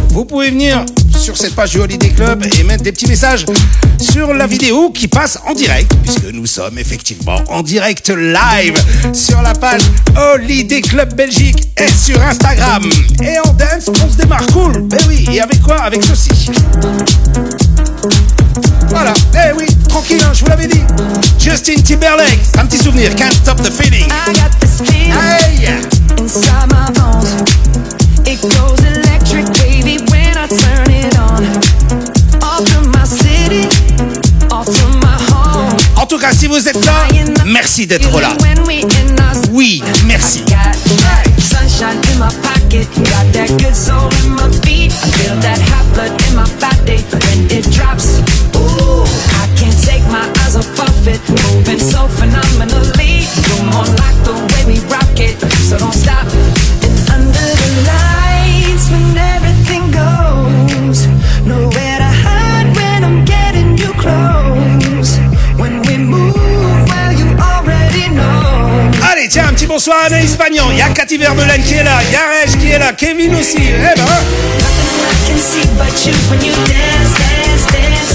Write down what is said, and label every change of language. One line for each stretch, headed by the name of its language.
French: Vous pouvez venir sur cette page du Holiday Club et mettre des petits messages sur la vidéo qui passe en direct, puisque nous sommes effectivement en direct live sur la page Holiday Club Belgique et sur Instagram. Et en dance, on se démarre cool. Ben oui, et avec quoi? Avec ceci. Voilà, eh oui, tranquille, je vous l'avais dit. Justin Timberlake, un petit souvenir. Can't stop the feeling.
English: I got this feeling, hey, yeah, inside my bones. It goes electric, baby, when I turn it on. Off to my city, off to my home.
French: En tout cas, si vous êtes là, merci d'être là. Oui, merci.
English: Sunshine in my pocket, got that good soul in my feet. I feel that hot blood in my body when it drops. Ooh, I can't take my eyes off of it, moving so phenomenally. You're more like the way we rock it, so don't stop. And under the lights, when everything goes nowhere to hide, when I'm getting you close, when we move, well you already know.
French: Allez, tiens, un petit bonsoir à Anaïs Pagnon. Y'a Cathy Verdelaine qui est là, y'a Rej qui est là, Kevin aussi, eh ben.
English: Nothing I can see but you when you dance, dance, dance.